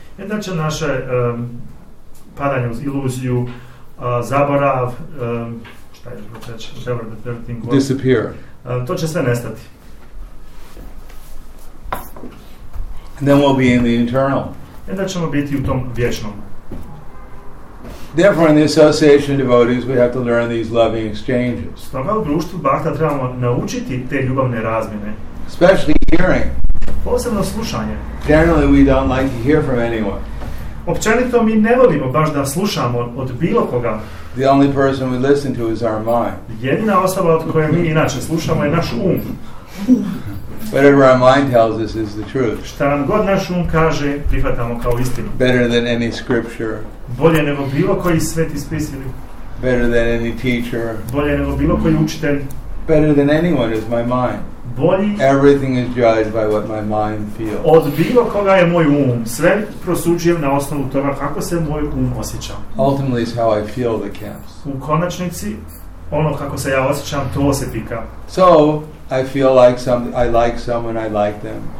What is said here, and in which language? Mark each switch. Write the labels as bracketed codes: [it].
[bs] Inače naše padanje u iluziju, zaborav, šta je to reći, [en] whatever the third thing was, disappear. [bs] To će sve nestati. [en] And then we'll be in the eternal. [bs] Inače ćemo biti u tom vječnom. [en] Therefore, in the association of devotees, we have to learn these loving exchanges. [bs] Stoga u društvu bhakta trebamo naučiti te ljubavne razmjene. [en] Especially hearing. [bs] Posebno slušanje. [en] Generally, we don't like to hear from anyone. [bs] Općenito mi ne volimo baš da slušamo od bilo koga. [en] The only person we listen to is our mind. [bs] Jedina osoba od koje mi inače slušamo je naš um. [en] Whatever our mind tells us is the truth. [bs] Šta nam god naš um kaže, prihvatamo kao istinu. [en] Better than any scripture. [bs] Bolje nego bilo koji sveti spis. [en] Better than any teacher. [bs] Bolje nego bilo koji učitelj. [en] Better than anyone is my mind. [bs] Bolji. [en] Everything is judged by what my mind feels. [bs] Od bilo koga je moj um. Sve prosuđujem na osnovu toga kako se moj um osjeća. [en] Ultimately is how I feel the camps. [bs] U konačnici, ono kako se ja osjećam, to se pika. [en] So, I feel like I like someone, I like them.